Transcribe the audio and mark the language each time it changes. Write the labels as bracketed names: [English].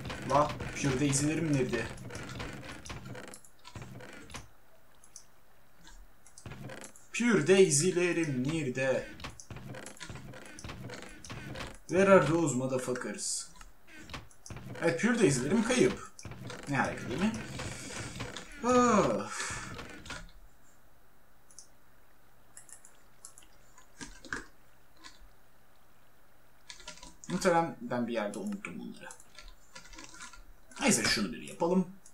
[Turkish] La, Pure Daisy'lerim nerede? Pure Daisy'lerim nerede? [English] Where are those motherfuckers? [Turkish] Evet, Pure Daisy'lerim kayıp. Ne harika değil mi? Of. Muhtemelen ben bir yerde unuttum bunları. Neyse, şunu bir yapalım. yapalım.